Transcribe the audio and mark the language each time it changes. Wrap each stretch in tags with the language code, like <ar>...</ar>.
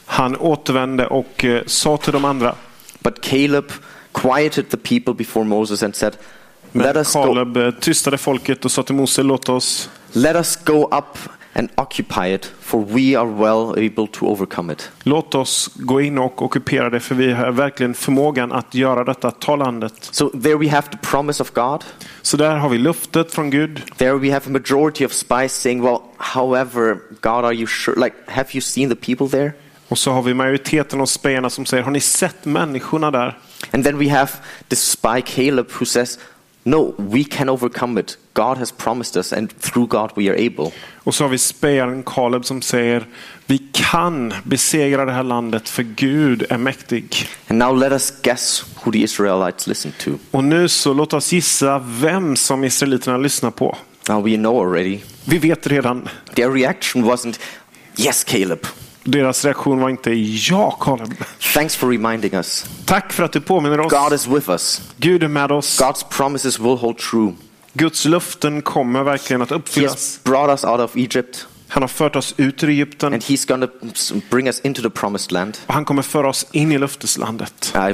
<sv>Han återvände och sa till de andra.</sv> <en>But Caleb quieted the people before Moses and said, "Let us go."</en> <sv>Caleb tystade folket och sa till Mose, "Låt oss."</sv> <en>Let us go up and occupy it, for we are well able to overcome it.</en> <sv>Låt oss gå in och ockupera det, för vi har verkligen förmågan att göra detta, ta landet.</sv> <en>So there we have the promise of God.</en> <sv>Så där har vi löftet från Gud.</sv> <en>There we have a majority of spies saying, well, however, God, are you sure? Like, have you seen the people there?</en> <sv>Och så har vi majoriteten av spejarna som säger, har ni sett människorna där?</sv> <en>And then we have the spy Caleb who says, no, we can overcome it. God has promised us, and through God we are able.</en> <sv>Och så har vi spejaren Caleb som säger, vi kan besegra det här landet, för Gud är mäktig.</sv> <en>And now let us guess who the Israelites listened to.</en> <sv>Och nu så låt oss gissa vem som israeliterna lyssnar på.</sv> <en>Now we know already.</en> <sv>Vi vet redan.</sv> <en>Their reaction wasn't, yes, Caleb.</en> <sv>deras reaktion var inte ja, Colin.</sv> <en>Thanks for reminding us.</en> <sv>Tack för att du påminner oss.</sv> <en>God is with us.</en> <sv>Gud är med oss.</sv> <en>God's promises will hold true.</en> <sv>Guds löften kommer verkligen att uppfyllas.</sv> <en>He has brought us out of Egypt.</en> <sv>Han har fört oss ut ur Egypten.</sv> <en>And he's going to bring us into the promised land.</en> <sv>Och han kommer föra oss in i löfteslandet.</sv>